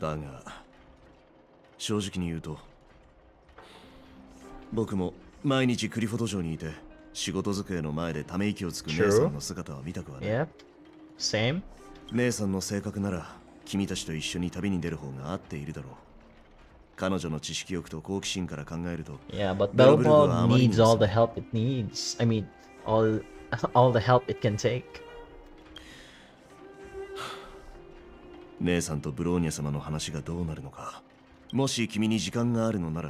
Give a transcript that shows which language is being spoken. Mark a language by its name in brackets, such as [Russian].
[Japanese] だが正直に言うと、僕も毎日クリフォト城にいて仕事机の前でため息をつく姉さんの姿は見たくはない。 [English] Yep. Same. [Japanese] 姉さんの性格なら君たちと一緒に旅に出る方が合っているだろう。彼女の知識欲と好奇心から考えると、 [English] Yeah, but Belobog needs all the help it needs. I mean, all the help it can take. [Japanese] 姉さんとブローニャ様の話がどうなるのか。もし君に時間があるのなら、